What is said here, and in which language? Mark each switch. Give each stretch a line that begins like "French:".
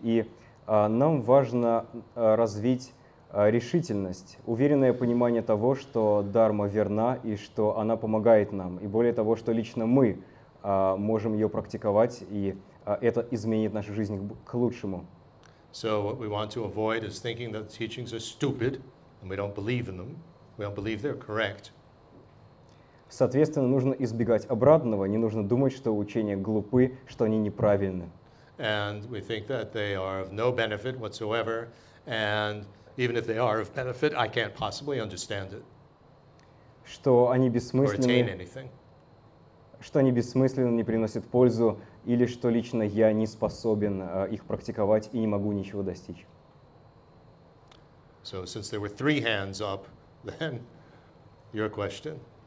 Russian: И нам важно развить решительность, уверенное понимание того, что дхарма верна и что она помогает нам. И более того, что лично мы можем ее практиковать, и это изменит нашу жизнь к лучшему.
English: So what we want to avoid is thinking that the teachings are stupid, and we don't believe in them, we don't believe they're correct.
Russian: Соответственно, нужно избегать обратного, не нужно думать, что учения глупы, что они неправильны.
English: And we think that they are of no benefit whatsoever, and even if they are of benefit, I can't possibly understand it.
Russian: Что они бессмысленны.
English: Or attain anything.
Russian: Что они бессмысленны, не приносят пользу, или что лично я не способен их практиковать и не могу ничего достичь.
English: So, since there were three hands up, then your question.